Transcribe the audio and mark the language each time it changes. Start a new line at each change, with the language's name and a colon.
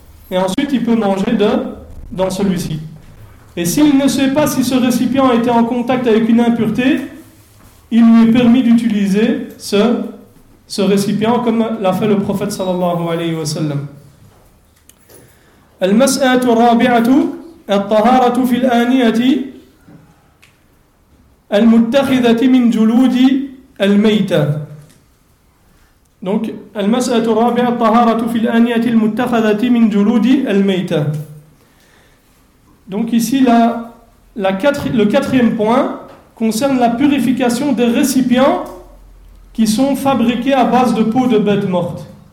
French: Et ensuite, il peut manger dans celui-ci. Et s'il ne sait pas si ce récipient était en contact avec une impureté, il lui est permis d'utiliser ce récipient, comme l'a fait le prophète sallallahu alayhi wa sallam.
Arabic: Al-mas'atu rabi'atu, al-taharatu fil-aniyati, المتخذة من جلود الميتة. Donc المسألة الرابعة الطهارة في الآنية المتخذة من جلود الميتة.
French: Donc ici le quatrième point concerne la purification des récipients qui sont fabriqués à base de peau de bête morte.